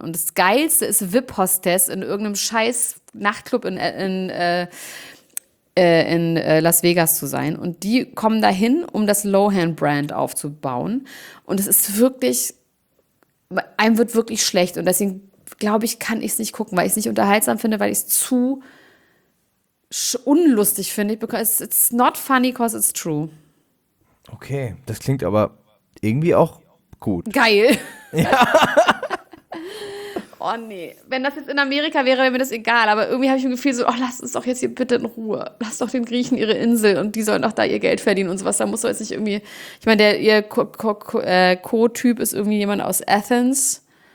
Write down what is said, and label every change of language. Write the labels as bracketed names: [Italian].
[German] Und das Geilste ist VIP-Hostess in irgendeinem scheiß Nachtclub in Las Vegas zu sein. Und die kommen dahin, um das Lohan-Brand aufzubauen. Und es ist wirklich, einem wird wirklich schlecht. Und deswegen, glaube ich, kann ich es nicht gucken, weil ich es nicht unterhaltsam finde, weil ich es zu unlustig finde. [English] Because it's not funny, because it's true. [German] Okay, das klingt aber irgendwie auch gut. Geil. Ja. Oh nee, wenn das jetzt in Amerika wäre, wäre mir das egal. Aber irgendwie habe ich ein Gefühl so, oh, lass uns doch jetzt hier bitte in Ruhe. Lass doch den Griechen ihre Insel und die sollen doch da ihr Geld verdienen und sowas. Da muss doch jetzt nicht irgendwie, ich meine, ihr Co-Typ ist irgendwie jemand aus Athens.